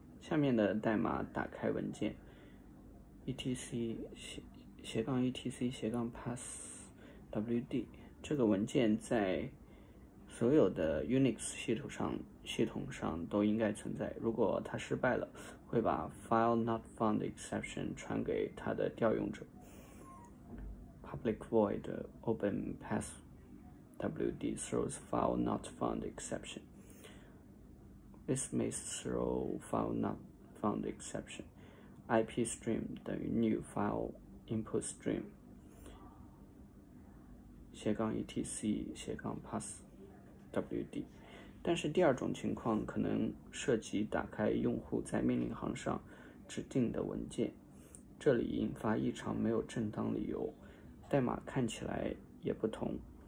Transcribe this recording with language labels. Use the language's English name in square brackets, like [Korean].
[Chinese] 下面的代码打开文件：etc/etc/passwd。这个文件在所有的 Unix 系统上都应该存在。如果它失败了，会把 File Not Found Exception 传给它的调用者。 [English] Public void open path wd throws file not found exception. This may throw file not found exception. IP stream 等于 new file input stream 斜杠 etc 斜杠 path wd。 [Chinese] 但是第二种情况可能涉及打开用户在命令行上指定的文件，这里引发异常没有正当理由，代码看起来也不同。